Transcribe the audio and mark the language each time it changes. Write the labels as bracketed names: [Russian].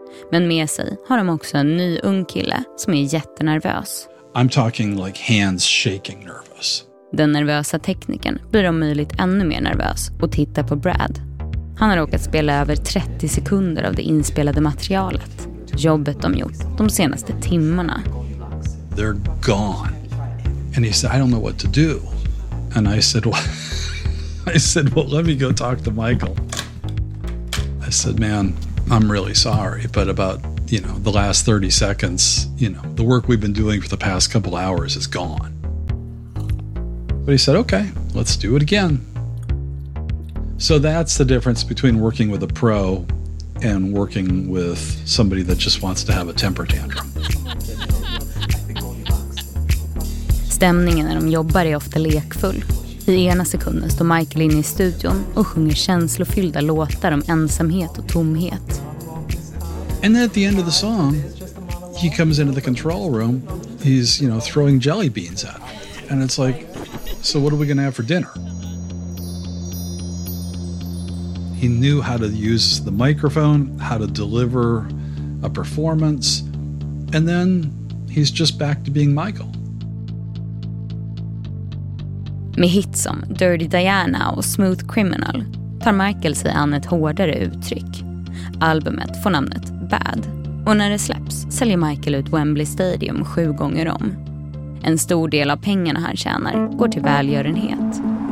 [Swedish] Men med sig har de också en ny ung kille som är jättenervös. [English] I'm talking like hands shaking nervous. [Swedish] Den nervösa tekniken blir om möjligt ännu mer nervös och tittar på Brad. Han har råkat spela över 30 sekunder av det inspelade materialet. Jobbet de gjort de senaste timmarna. [English] They're gone. And he said, I don't know what to do. And I said, what? I said, well, let me go talk to Michael. I said, man, I'm really sorry, but about, you know, the last 30 seconds, you know, the work we've been doing for the past couple hours is gone. But he said, okay, let's do it again. So that's the difference between working with a pro and working with somebody that just wants to have a temper tantrum. [Swedish] Stämningen när de jobbar är ofta lekfull. I ena sekunden står Michael inne i studion och sjunger känslofyllda låtar om ensamhet och tomhet. [English] And then at the end of the song, he comes into the control room. He's, you know, throwing jelly beans at him. And it's like, so what are we going to have for dinner? He knew how to use the microphone, how to deliver a performance. And then he's just back to being Michael. [Swedish] Med hit som Dirty Diana och Smooth Criminal tar Michael sig an ett hårdare uttryck. Albumet får namnet Bad. Och när det släpps säljer Michael ut Wembley Stadium 7 gånger om. En stor del av pengarna han tjänar går till välgörenhet.